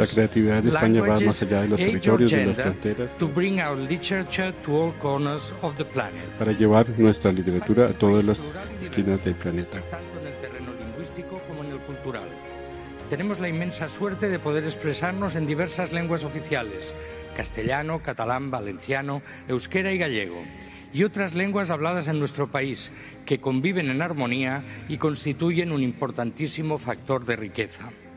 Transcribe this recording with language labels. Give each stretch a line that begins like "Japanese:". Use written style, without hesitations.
Spanish: la creatividad de España va más allá de los territorios, de las fronteras,
English: to bring our literature to all corners of the planet.
Spanish: Para llevar nuestra literatura a todas las esquinas del planeta, tanto en el terreno lingüístico como en el cultural. Tenemos la inmensa suerte de poder expresarnos en diversas lenguas oficiales: castellano, catalán, valenciano, euskera y gallego, y otras lenguas habladas en nuestro país, que conviven en armonía y constituyen un importantísimo factor de riqueza.